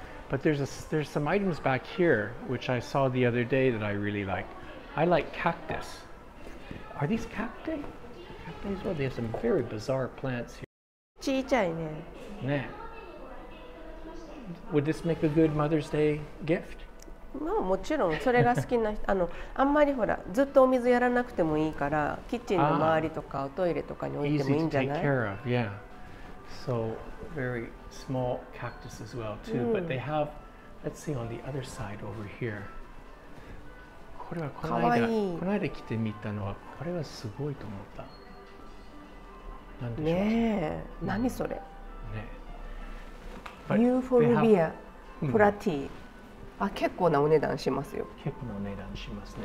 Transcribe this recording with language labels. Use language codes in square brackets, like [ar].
[en] But there's some items back here which I saw the other day that I really like. I like cactus. Are these cacti? Cacti as well. They have some very bizarre plants here. [ja] ちいちゃいね。ね。 [en] Would this make a good Mother's Day gift? [ja] まあもちろん、それが好きな人、あんまりほら、ずっとお水やらなくてもいいから、キッチンの周りとかおトイレとかに置いてもいいんじゃない？ [en] Easy to take care of, yeah. So, very small cactus as well too. But they have, let's see on the other side over here. [ja] これはこの間来てみたのは、これはすごいと思った。何でしょうね、え、何それ、ね、え、ニューフォルビアプラティ、あ、結構なお値段しますよ。結構なお値段しますね。